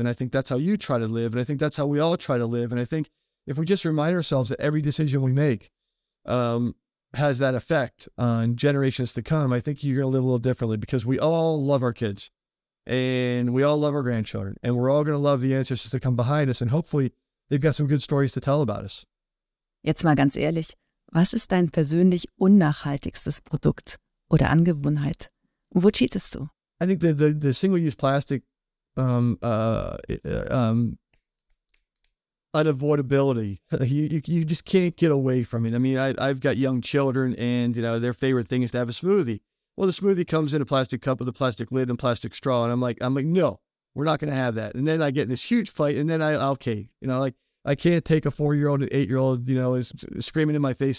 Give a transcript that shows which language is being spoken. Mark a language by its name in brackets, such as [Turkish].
[English] And I think that's how you try to live. And I think that's how we all try to live. And I think if we just remind ourselves that every decision we make has that effect on generations to come, I think you're going to live a little differently, because we all love our kids and we all love our grandchildren. And we're all going to love the ancestors to come behind us. And hopefully they've got some good stories to tell about us. [German] Jetzt mal ganz ehrlich, was ist dein persönlich unnachhaltigstes Produkt oder Angewohnheit? Wo cheatest du? [English] I think the single-use plastic unavoidability, you just can't get away from it. I mean, I've got young children, and you know, their favorite thing is to have a smoothie. Well, the smoothie comes in a plastic cup with a plastic lid and plastic straw, and I'm like, no, we're not going to have that. And then I get in this huge fight, and then I can't take a 4-year-old, an 8-year-old, you know, is screaming in my face.